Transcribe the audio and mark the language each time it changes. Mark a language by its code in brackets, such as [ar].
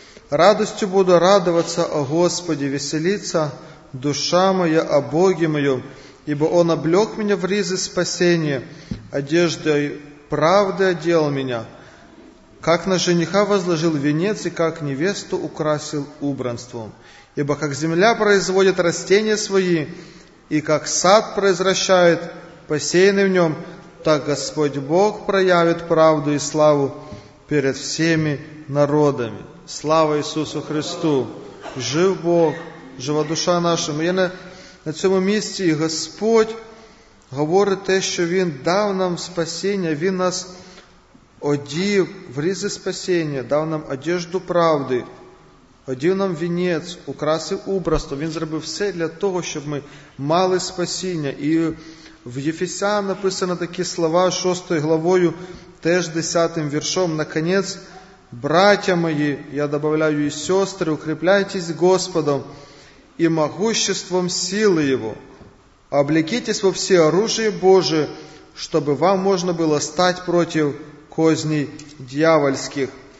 [ru] «Радостью буду радоваться о Господе, веселиться душа моя о Боге моем, ибо Он облег меня в ризы спасения, одеждой правды одел меня, как на жениха возложил венец и как невесту украсил убранством. Ибо как земля производит растения свои, и как сад произращает посеянный в нем, так Господь Бог проявит правду и славу перед всеми народами». [uk] Слава Ісусу Христу! Жив Бог, жива душа наша. Ми є на цьому місці, і Господь говорить те, що Він дав нам спасіння, Він нас одів в різи спасіння, дав нам одежду правди, одів нам вінець, украсив убранство. Він зробив все для того, щоб ми мали спасіння. І в Єфесян написано такі слова, 6 главою, теж 10 віршом, [ru] «Наконець, братья мои, я добавляю и сестры, укрепляйтесь Господом и могуществом силы Его. Облекитесь во все оружие Божие, чтобы вам можно было стать против козней дьявольских.